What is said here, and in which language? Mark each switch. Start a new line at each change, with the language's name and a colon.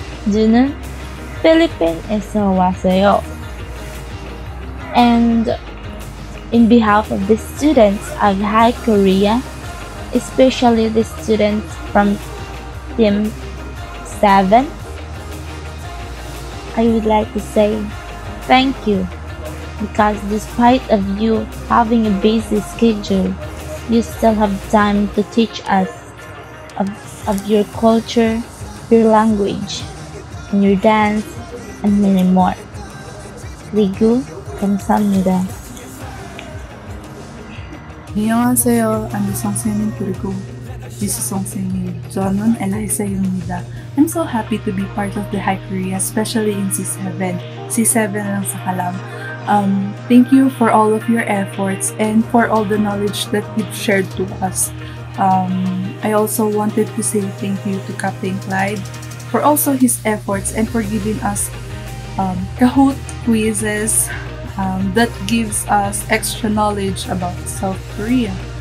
Korean: 저는 필리핀에서 왔어요.
English: And in behalf of the students of High Korea, especially the students from Team 7, I would like to say thank you. Because despite of you having a busy schedule, you still have time to teach us of your culture, your language, and your dance, and many more.
Korean: Ligu, 감사합니다. 안녕하세요, 안디 선생님 그리고 지수 선생님. 저는 엘리사입니다.
English: I'm so happy to be part of the High Korea, especially in C7. C7
Filipino: lang sa kalam.
English: Thank you for all of your efforts and for all the knowledge that you've shared to us. I also wanted to say thank you to Captain Clyde for also his efforts and for giving us Kahoot quizzes that gives us extra knowledge about South Korea.